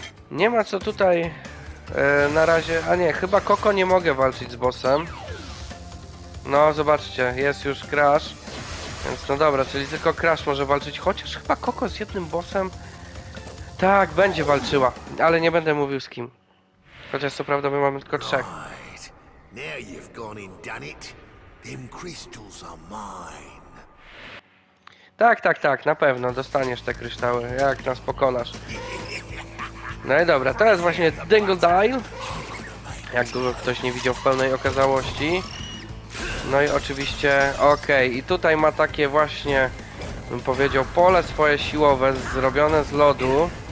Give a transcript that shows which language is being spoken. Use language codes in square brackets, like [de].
[pl] Nie ma co tutaj na razie. A nie, chyba Koko nie mogę walczyć z bossem. No, zobaczcie, jest już Crash. Więc no dobra, czyli tylko Crash może walczyć. Chociaż chyba Koko z jednym bossem. Tak, będzie walczyła, ale nie będę mówił z kim. Chociaż co prawda my mamy tylko trzech. [en] Now you've gone and done it. Them crystals are mine. [pl] Tak, tak, tak, na pewno dostaniesz te kryształy, jak nas pokonasz. No i dobra, to jest właśnie Dingle Dile. Jak go ktoś nie widział w pełnej okazałości. No i oczywiście, okej, okay. I tutaj ma takie właśnie, bym powiedział, pole swoje siłowe, zrobione z lodu.